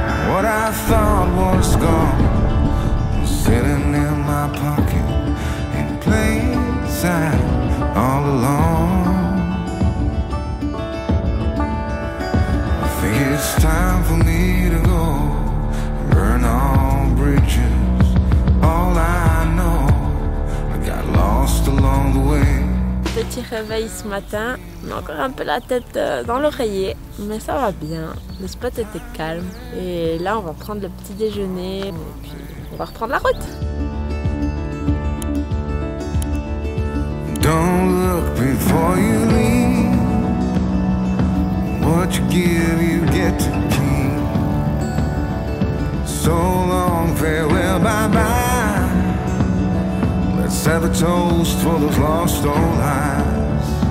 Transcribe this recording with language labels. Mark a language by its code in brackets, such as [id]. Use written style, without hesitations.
[en] What I thought was gone was sitting in my pocket in plain sight all along. I think it's time for me to go burn all bridges. All I know, I got lost along the way. [fr] Petit réveil ce matin, on a encore un peu la tête dans l'oreiller, mais ça va bien. Le spot était calme et là on va prendre le petit déjeuner et puis on va reprendre la route. [en] Don't look before you leave. What you give, you get to keep. So long, farewell, bye bye. Let's have a toast for those lost old eyes.